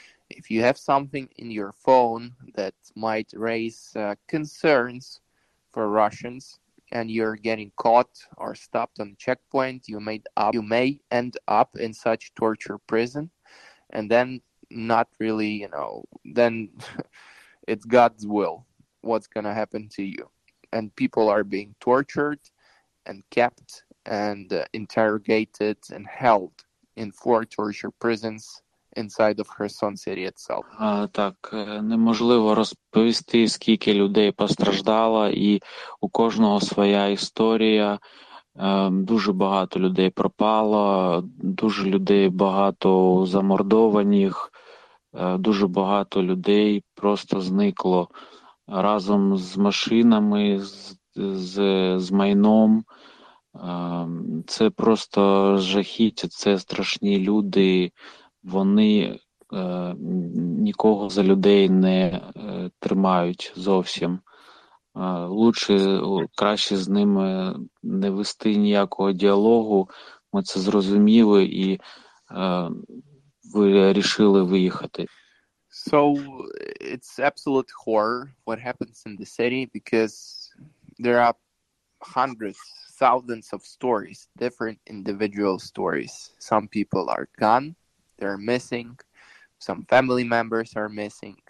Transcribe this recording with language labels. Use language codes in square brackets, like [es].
[en] If you have something in your phone that might raise concerns for Russians, and you're getting caught or stopped on a checkpoint, you may end up in such torture prison, and then not really, you know, then it's God's will what's going to happen to you. And people are being tortured and kept and interrogated and held in 4 torture prisons inside of Kherson city itself. [uk] Так, неможливо розповісти, скільки людей постраждало, і у кожного своя історія. Дуже багато людей пропало, дуже людей багато замордованих, дуже багато людей просто зникло разом з машинами, з майном. Це просто жахіття, це страшні люди, вони нікого за людей не тримають зовсім. Лучше, краще з ними не вести ніякого діалогу. Ми це зрозуміли і вирішили виїхати. [en] So it's absolute horror what happens in the city, because there are hundreds, thousands of stories, different individual stories. Some people are gone, they're missing. Some family members are missing.